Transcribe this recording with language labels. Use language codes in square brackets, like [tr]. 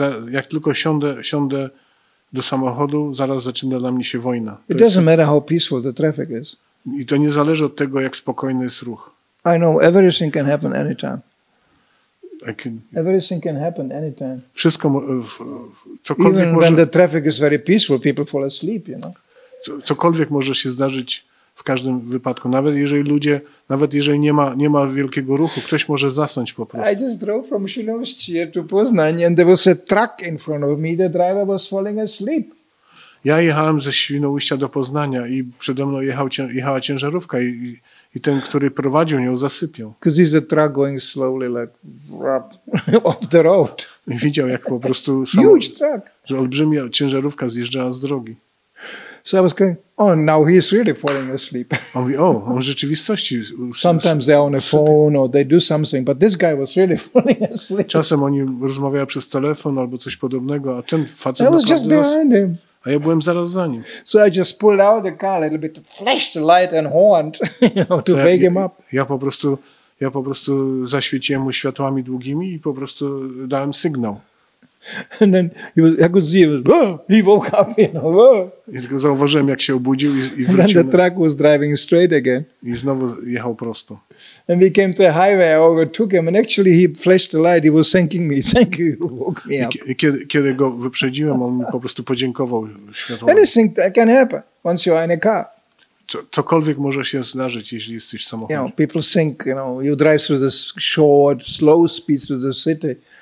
[pl] Jak tylko siądę do samochodu, zaraz zaczyna dla mnie się wojna. [en] It doesn't matter how peaceful the traffic is. [pl] I to nie zależy od tego, jak spokojny jest ruch. [en] I know everything can happen anytime. Everything can happen anytime. [pl] Wszystko, [en] even when the traffic is very peaceful, people fall asleep, you know. [pl] Cokolwiek może się zdarzyć w każdym wypadku. Nawet jeżeli nie ma wielkiego ruchu, ktoś może zasnąć po prostu. [en] I just drove from Świnoujście to Poznań, and there was a truck in front of me. The driver was falling asleep. [pl] Ja jechałem ze Świnoujścia do Poznania i przede mną jechała ciężarówka i ten, który prowadził nią, zasypiał. [en] Because he's a truck going slowly like rap, off the road. [pl] I widział, jak po prostu [en] huge truck, [pl] że olbrzymia ciężarówka zjeżdżała z drogi. [en] So I was going, oh, now he's really falling asleep. [pl] On mówi, on w rzeczywistości [en] sometimes they're on a phone or they do something, but this guy was really falling asleep. [pl] Czasem oni rozmawiają przez telefon albo coś podobnego, a ten facet [en] was just behind him. [pl] A ja byłem zaraz za nim. [en] So I just pulled out the car a little bit, flashed the light and horned, you know, to wake him up. [pl] Ja po prostu zaświeciłem mu światłami długimi i po prostu dałem sygnał. [en] And then he woke up, you know. [pl] I zauważyłem, jak się obudził i wrócił. [en] And then the truck was driving straight again. [pl] I znowu jechał prosto. [en] And we came to a highway, I overtook him, and actually he flashed the light, he was thanking me, thank you, you woke me up. [pl] Kiedy go wyprzedziłem, on mi po prostu podziękował światłem. [en] Anything that can happen once you are in a car. [pl] Cokolwiek może się zdarzyć, jeśli jesteś w samochodzie. [en] You know, people think, you know, you drive through the short, slow speed through the city.